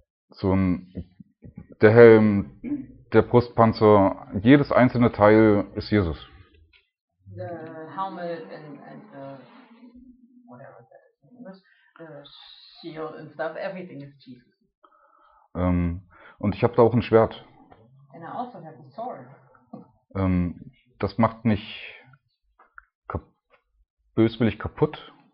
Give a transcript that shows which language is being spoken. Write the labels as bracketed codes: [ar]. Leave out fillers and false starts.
[de] So ein, der Helm, der Brustpanzer, jedes einzelne Teil ist Jesus. [en] The helmet and the whatever that is, the shield and stuff, everything is Jesus. [de] Und ich habe da auch ein Schwert. [en] And I also have a sword. [de] Das macht mich böswillig kaputt.